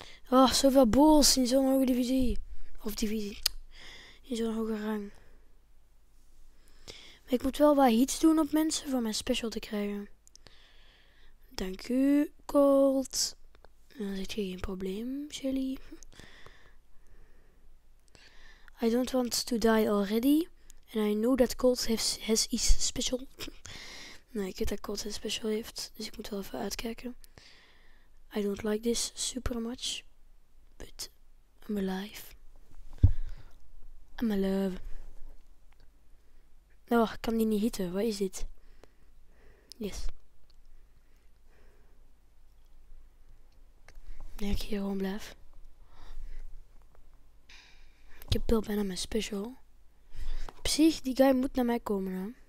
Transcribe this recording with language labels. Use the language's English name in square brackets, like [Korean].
[Dutch] Oh, zoveel boels in zo'n hoge divisie. Of divisie. In zo'n hoge rang. Maar ik moet wel wat hits doen op mensen voor mijn special te krijgen. Dank u, Colt. Dan zit je geen probleem, Shelly. [English] I don't want to die already. And I know that Colt has his special. [Dutch] Nee, ik weet dat Colt zijn special heeft, dus ik moet wel even uitkijken. [English] I don't like this super much, but I'm alive. I'm alive. [Dutch] Oh, ik kan die niet hitten, wat is dit? Yes. Nee, ik hier gewoon blijf. Ik heb wel bijna mijn special. Op zich, die guy moet naar mij komen, hè.